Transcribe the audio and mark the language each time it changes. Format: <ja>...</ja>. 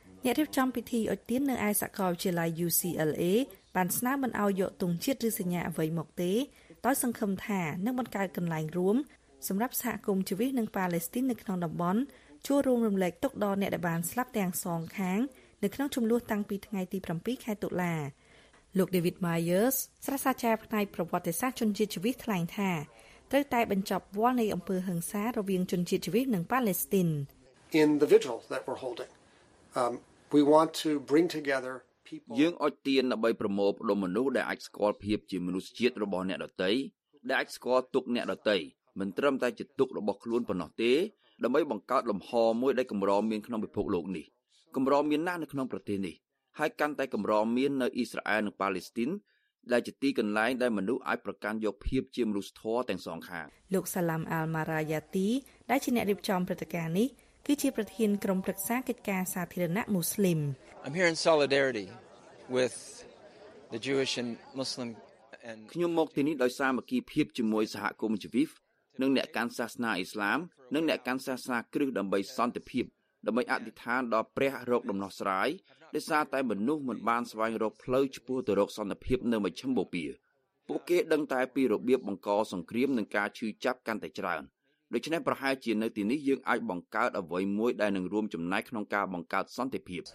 <km>អ្នករៀបចំពិធីអុជទៀននៅឯសាកលវិទ្យាល័យ UCLAបានស្នើមិនឲ្យយកទង់ជាតិឬសញ្ញាអ្វីមកទេដោយសង្ឃឹមថានឹងបង្កើតកន្លែងរួមសម្រាប់សហគមន៍ជីវិសនិងប៉ាឡេស្ទីននៅក្នុងតំបន់ចូលរួមរំលែកទុក្ខដល់អ្នកដែលបានស្លាប់ទាំងសងខាងនៅក្នុងជម្លោះតាំងពីថ្ងៃទី7ខែតុលាលោក David Myers សាស្ត្រាចារ្យផ្នែកប្រវត្តិសាស្ត្រជនជាតិជីវិសថ្លែងថាត្រូវតែបញ្ចប់វល់នៃអំពើហិង្សារវាងជនជាតិជីវិសនិងប៉ាឡេស្ទីន</km> <en>In the vigil that we're holding we want to bring together</en> <km>យើងអុជទៀនដើម្បីប្រមូលផ្ដុំមនុស្សដែលអាចស្គាល់ភាពជាមនុស្សជាតិរបស់អ្នកដទៃដែលអាចស្គាល់ទុកអ្នកដទៃមិនត្រឹមតែជាទុករបស់ខ្លួនប៉ុណ្ណោះទេ ដើម្បីបង្កើតលំហមួយដែលកម្រមានក្នុងពិភពលោកនេះកម្រមានណាស់នៅក្នុងប្រទេសនេះហើយកាន់តែកម្រមាននៅអ៊ីស្រាអែលនិងប៉ាឡេស្ទីនដែលជាទីកន្លែងដែលមនុស្សអាចប្រកាន់យកភាពជាមនុស្សធម៌ទាំងសងខាង លោកសាឡាមអាល់ម៉ារ៉ាយ៉ាទីដែលជាអ្នករៀបចំព្រឹត្តិការណ៍នេះគឺជាប្រធានក្រុមប្រឹក្សាកិច្ចការសាធារណៈមូស្លីម</km> <en>I'm here in solidarity with the Jewish and Muslim and</en> <km>ខ្ញុំមកទីនេះដោយសាមគ្គីភាពជាមួយសហគមន៍ជីវីវនិងអ្នកកាន់សាសនាអ៊ីស្លាមនិងអ្នកកាន់សាសនាគ្រីស្ទដើម្បីសន្តិភាពដើម្បីអធិដ្ឋានដល់ព្រះរោគដំណោះស្រាយដោយសារតែមនុស្សមិនបានស្វែងរកផ្លូវឆ្ពោះទៅរកសន្តិភាពនៅមជ្ឈមបូព៌ាពួកគេដឹងតែពីរបៀបបង្កសង្គ្រាមនិងការឈឺចាប់កាន់តែច្រើនដូច្នេះប្រហែលជានៅទីនេះយើងអាចបង្កើតអ្វីមួយដែលនឹងរួមចំណែកក្នុងការបង្កើតសន្តិភាព</km>